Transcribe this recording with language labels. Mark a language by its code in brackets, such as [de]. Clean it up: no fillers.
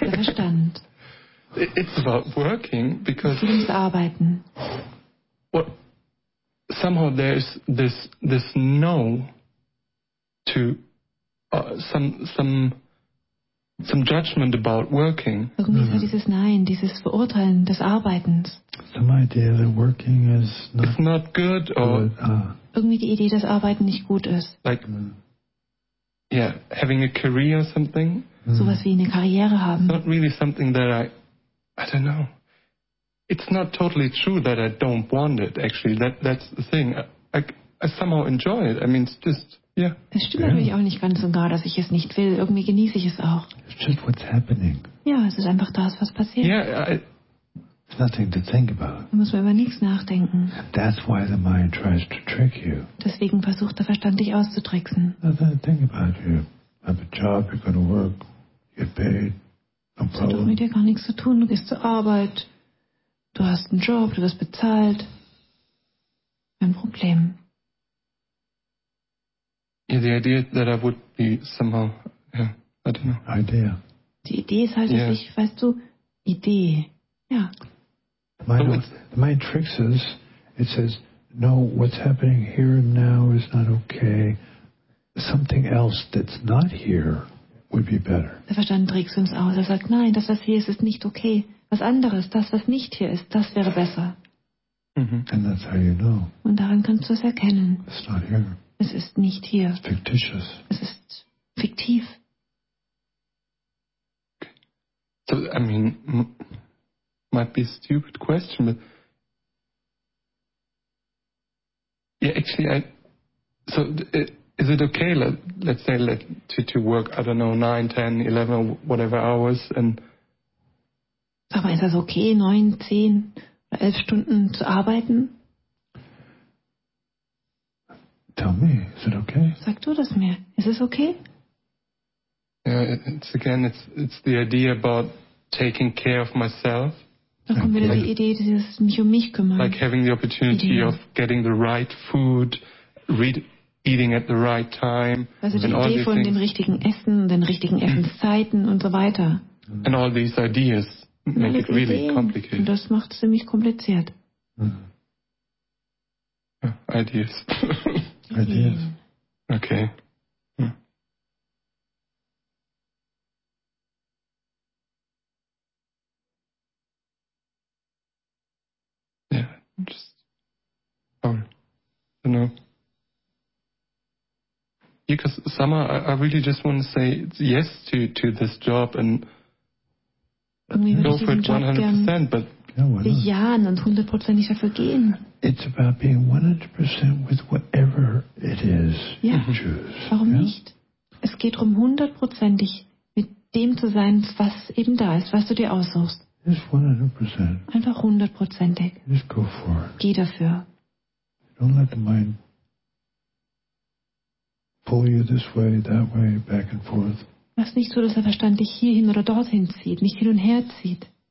[de] Der Verstand. [en] It's about working, because... [de] Es geht ums Arbeiten. [en] What? Somehow there's this no to some judgment about working. [de] Irgendwie ist dieses Nein, dieses Verurteilen des Arbeitens. [en] Some idea that working is not, it's not good, or [de] irgendwie die Idee, dass Arbeiten nicht gut ist. [en] Like having a career or something. [de] Sowas wie eine Karriere haben. [en] Not really something that I don't know. It's not totally true that I don't want it, actually. That's the thing. I somehow enjoy it. I mean, it's just, yeah. [de] Es stimmt natürlich auch nicht ganz und gar, dass ich es nicht will. Irgendwie genieße ich es auch. [en] It's just what's happening. [de] Ja, es ist einfach das, was passiert. [en] Yeah, it's nothing to think about. [de] Da muss man über nichts nachdenken. [en] And that's why the mind tries to trick you. [de] Deswegen versucht der Verstand, dich auszutricksen. [en] Nothing to think about. You have a job, you're going to work, you get paid. No problem. [de] Das hat doch mit dir gar nichts zu tun. Du gehst zur Arbeit. Du hast einen Job, du wirst bezahlt. Kein Problem. [en] Yeah, the idea that I would be somehow, I don't know. Idea. [de] Die Idee ist halt, dass ich, weißt du, Idee. Ja. [en] My tricks is, it says, no, what's happening here and now is not okay. Something else that's not here would be better. [de] Der Verstand trägt uns aus. Er sagt, nein, das, was hier ist, ist nicht okay. Was anderes, das, was nicht hier ist, das wäre besser. [en] Mm-hmm. And that's how you know. [de] Und daran kannst du es erkennen. [en] It's not here. [de] Es ist nicht hier. [en] It's fictitious. [de] Es ist fiktiv. [en] So, I mean, might be a stupid question, but... Yeah, actually, is it okay, let's say, to work, I don't know, 9, 10, 11, whatever hours, and... [de] Sag mal, ist das okay, 9, 10 oder 11 Stunden zu arbeiten? [en] Tell me, is it okay? [de] Sag du das mir. Ist es okay? [en] Yeah, it's again, it's the idea about taking care of myself. [de] Da kommt wieder die Idee, dieses mich um mich kümmern. [en] Like having the opportunity of getting the right food, eating at the right time. [de] Also die Idee von dem richtigen Essen, den richtigen Essenszeiten und so weiter. [en] And all these ideas. Make it really complicated. [de] Und das macht es ziemlich kompliziert. [en] Ideas. Ideas. Okay. I don't know. Because Summer, I really just want to say yes to this job and It's about being 100% with whatever it is you choose. [de] Warum nicht? Es geht darum, 100%ig mit dem zu sein, was eben da ist, was du dir aussuchst. [en] Just 100%. [de] Einfach 100%ig. [en] Just go for it. [de] Geh dafür. [en] Don't let the mind pull you this way, that way, back and forth. [de] Mach es nicht so, dass der Verstand dich hierhin oder dorthin zieht, nicht hin und her zieht.